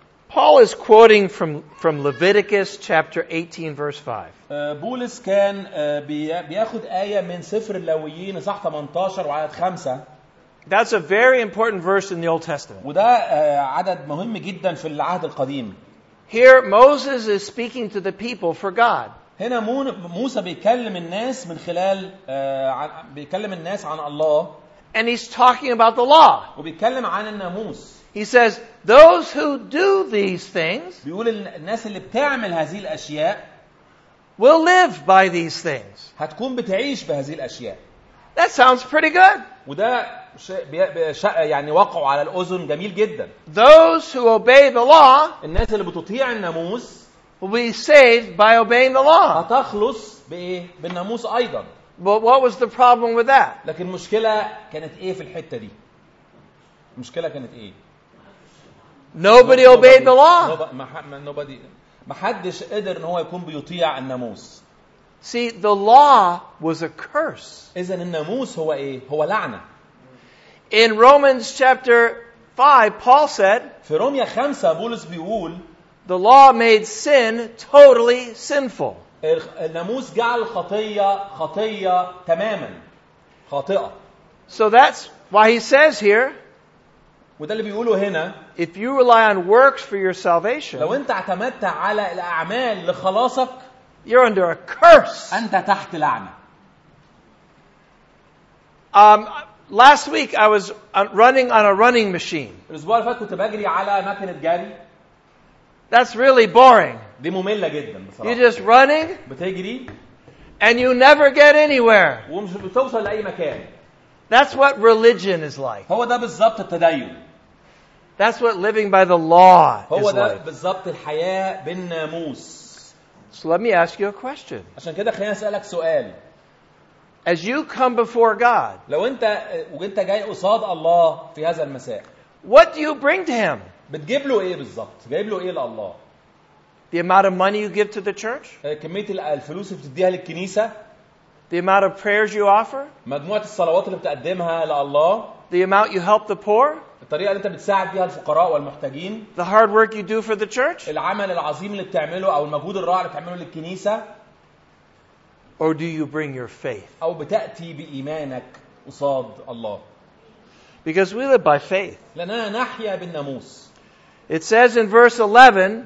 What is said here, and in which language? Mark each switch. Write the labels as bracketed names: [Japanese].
[English] Paul is quoting from Leviticus chapter 18 verse 5. [Arabic] بولس كان بياخد آية من سفر اللاويين صح 18 وعدد 5. [English] That's a very important verse in the Old Testament. [Arabic] وده عدد مهم جدا في العهد القديم. [English] Here Moses is speaking to the people for God. [Arabic] هنا موسى بيكلم الناس من خلال بيكلم الناس عن الله. [English] And he's talking about the law. [Arabic] وبيكلم عن الناموس. [English] He says, "Those who do these things." [Arabic] بيقول الناس اللي بتعمل هذه الأشياء. [English] Will live by these things. [Arabic] هتكون بتعيش بهذه الأشياء. [English] That sounds pretty good. [Arabic] وده يعني وقعوا على الأذن جميل جدا. [English] Those who obey the law, [Arabic] الناس اللي بتطيع الناموس, [English] will be saved by obeying the law. [Arabic] هتخلص بالناموس أيضا. [English] But what was the problem with that? [Arabic] لكن مشكلة كانت إيه في الحتة دي؟ مشكلة كانت إيه؟ [English] Nobody obeyed the law. Nobody. [Arabic] ما حدش قدر إن هو يكون بيطيع الناموس. [English] See, the law was a curse. [Arabic] إذن الناموس هو إيه؟ هو لعنة. [English] In Romans chapter 5, Paul said, [Arabic] في روميا 5 بولس بيقول, [English] the law made sin totally sinful. [Arabic] الناموس جعل خطية خطية تماما. خاطئة. [English] So that's why he says here, [Arabic] وده اللي بيقوله هنا, [English] if you rely on works for your salvation, [Arabic] لو انت اعتمدت على الأعمال لخلاصك, [English] you're under a curse. [Arabic] أنت تحت لعنة. [English] Last week I was running on a running machine. [Arabic] الأسبوع اللي فات كنت بجري على ماكينة جري. [English] That's really boring. [Arabic] دي مملة جدا بصراحة. [English] You're just running. [Arabic] بتجري. [English] And you never get anywhere. [Arabic] ومش بتوصل لأي مكان. [English] That's what religion is like. [Arabic] هو ده بالظبط التدين. [English] That's what living by the law [Arabic] هو [English] is [Arabic] ده [English] like. [Arabic] بالظبط الحياة بالناموس. [English] So let me ask you a question. [Arabic] عشان كده خليني أسألك سؤال. [English] As you come before God. [Arabic] لو أنت وأنت جاي قصاد الله في هذا المساء. [English] What do you bring to him? [Arabic] بتجيب له إيه بالظبط؟ جايب له إيه لله؟ [English] The amount of money you give to the church? [Arabic] كمية الفلوس اللي بتديها للكنيسة. [English] The amount of prayers you offer? [Arabic] مجموعة الصلوات اللي بتقدمها لله. [English] The amount you help the poor? [Arabic] الطريقة اللي انت بتساعد بيها الفقراء والمحتاجين. [English] The hard work you do for the church? [Arabic] العمل العظيم اللي بتعمله او المجهود الرائع اللي بتعمله للكنيسة. [English] Or do you bring your faith? [Arabic] او بتأتي بإيمانك قصاد الله. [English] Because we live by faith. [Arabic] لأننا نحيا بالناموس. [English] It says in verse 11,